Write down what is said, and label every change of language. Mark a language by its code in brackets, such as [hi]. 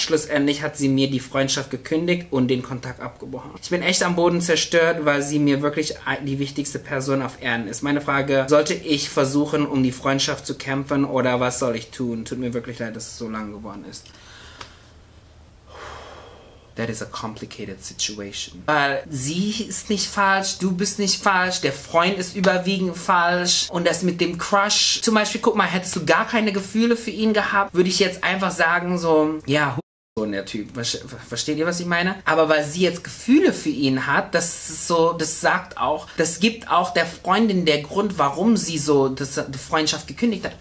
[de] Schlussendlich hat sie mir die Freundschaft gekündigt und den Kontakt abgebrochen. Ich bin echt am Boden zerstört, weil sie mir wirklich die wichtigste Person auf Erden ist. Meine Frage, sollte ich versuchen, um die Freundschaft zu kämpfen oder was soll ich tun? Tut mir wirklich leid, dass es so lang geworden ist. [en] That is a complicated situation. [de] Weil sie ist nicht falsch, du bist nicht falsch, der Freund ist überwiegend falsch. Und das mit dem Crush, zum Beispiel, guck mal, hättest du gar keine Gefühle für ihn gehabt, würde ich jetzt einfach sagen, so, ja, so der Typ. Versteht ihr, was ich meine? Aber weil sie jetzt Gefühle für ihn hat, das ist so, das sagt auch, das gibt auch der Freundin der Grund, warum sie so die Freundschaft gekündigt hat.